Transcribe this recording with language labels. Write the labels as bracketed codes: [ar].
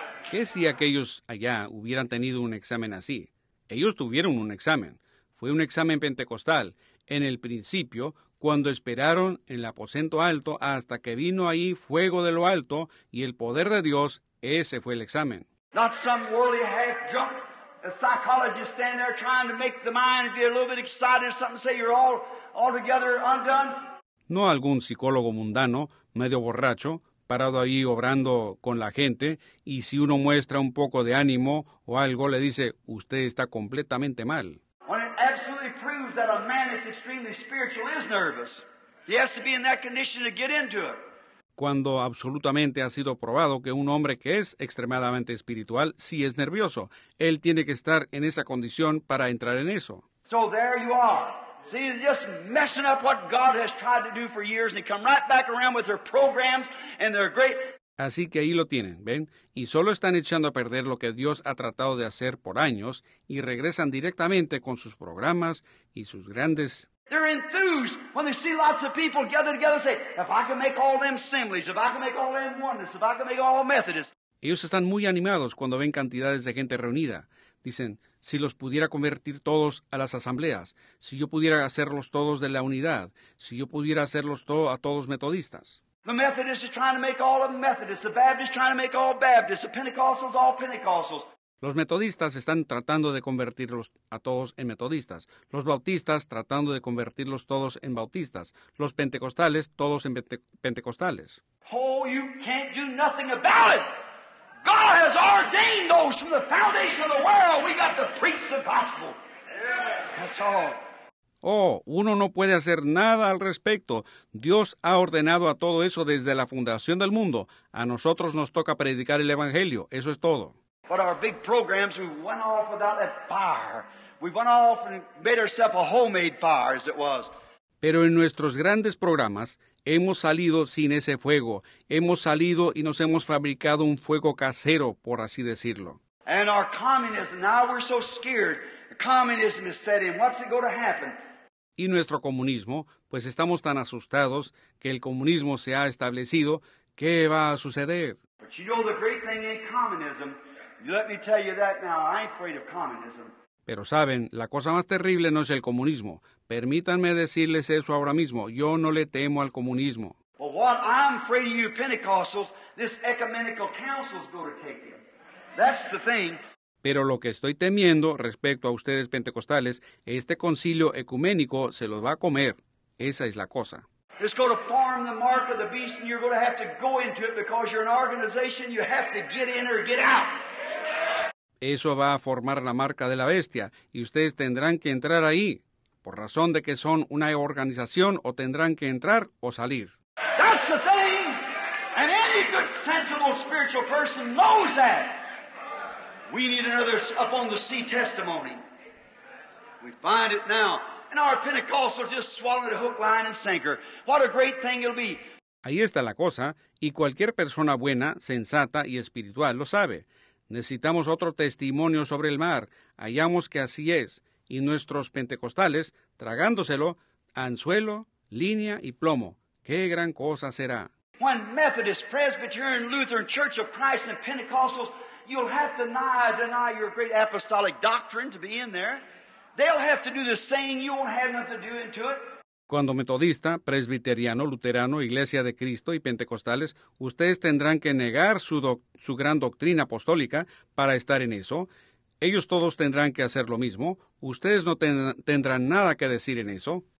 [es] ¿Qué si aquellos allá hubieran tenido un examen así? Ellos tuvieron un examen. Fue un examen pentecostal, en el principio, cuando esperaron en el aposento alto hasta que vino ahí fuego de lo alto y el poder de Dios, ese fue el examen. [en] Not some worldly half junk. A psychologist stand there trying to make the mind be a little bit excited or something, say you're altogether undone. [es] No algún psicólogo mundano, medio borracho, parado ahí obrando con la gente, y si uno muestra un poco de ánimo o algo, le dice, usted está completamente mal. [en] When it absolutely proves that a man that's extremely spiritual is nervous, he has to be in that condition to get into it. [es] Cuando absolutamente ha sido probado que un hombre que es extremadamente espiritual sí es nervioso, él tiene que estar en esa condición para entrar en eso. [en] So there you are. See, just messing up what God has tried to do for years, and come right back around with their programs and their great. [es] Así que ahí lo tienen, ¿ven? Y solo están echando a perder lo que Dios ha tratado de hacer por años, y regresan directamente con sus programas y sus grandes. [en] They're enthused when they see lots of people gather together and say, if I can make all them assemblies, if I can make all them oneness, if I can make all Methodists. [es] Ellos están muy animados cuando ven cantidades de gente reunida. Dicen, si los pudiera convertir todos a las asambleas, si yo pudiera hacerlos todos de la unidad, si yo pudiera hacerlos a todos metodistas. [en] The Methodist is trying to make all of Methodists. The Baptist is trying to make all Baptists. The Pentecostals, all Pentecostals. [es] Los metodistas están tratando de convertirlos a todos en metodistas. Los bautistas tratando de convertirlos todos en bautistas. Los pentecostales, todos en pentecostales. [en] Oh, you can't do nothing about it. God has ordained those from the foundation of the world. We got to preach the gospel. That's all. [es] Oh, uno no puede hacer nada al respecto. Dios ha ordenado a todo eso desde la fundación del mundo. A nosotros nos toca predicar el Evangelio. Eso es todo. [en] But our big programs, we went off without that fire. We went off and made ourselves a homemade fire, as it was. [es] Pero en nuestros grandes programas, hemos salido sin ese fuego. Hemos salido y nos hemos fabricado un fuego casero, por así decirlo. [en] And our communism, now we're so scared. Communism is set in. What's it going to happen? [es] Y nuestro comunismo, pues estamos tan asustados que el comunismo se ha establecido. ¿Qué va a suceder? [en] But you know the great thing in communism. Let me tell you that now. I ain't afraid of communism. [es] Pero saben, la cosa más terrible no es el comunismo. Permítanme decirles eso ahora mismo. Yo no le temo al comunismo. [en] But what I'm afraid of, you Pentecostals, this ecumenical council is going to take you. That's the thing. [es] Pero lo que estoy temiendo respecto a ustedes pentecostales, este concilio ecuménico se los va a comer. Esa es la cosa. [en] It's going to form the mark of the beast and you're going to have to go into it because you're an organization, you have to get in or get out. [es] Eso va a formar la marca de la bestia y ustedes tendrán que entrar ahí por razón de que son una organización o tendrán que entrar o salir. [en] That's the thing. And any good sensible spiritual person knows that. We need another up on the sea testimony. We find it now. And our Pentecostals just swallowed a hook, line, and sinker. What a great thing it'll be. [es] Ahí está la cosa, y cualquier persona buena, sensata y espiritual lo sabe. Necesitamos otro testimonio sobre el mar. Hallamos que así es. Y nuestros pentecostales, tragándoselo, anzuelo, línea y plomo. ¡Qué gran cosa será! [en] When Methodist, Presbyterian, Lutheran, Church of Christ, and Pentecostals, you'll have to deny your great apostolic doctrine to be in there. They'll have to do the same. You won't have nothing to do into it. [es] Cuando metodista, presbiteriano, luterano, iglesia de Cristo y pentecostales, ustedes tendrán que negar su gran doctrina apostólica para estar en eso. Ellos todos tendrán que hacer lo mismo. Ustedes no tendrán nada que decir en eso.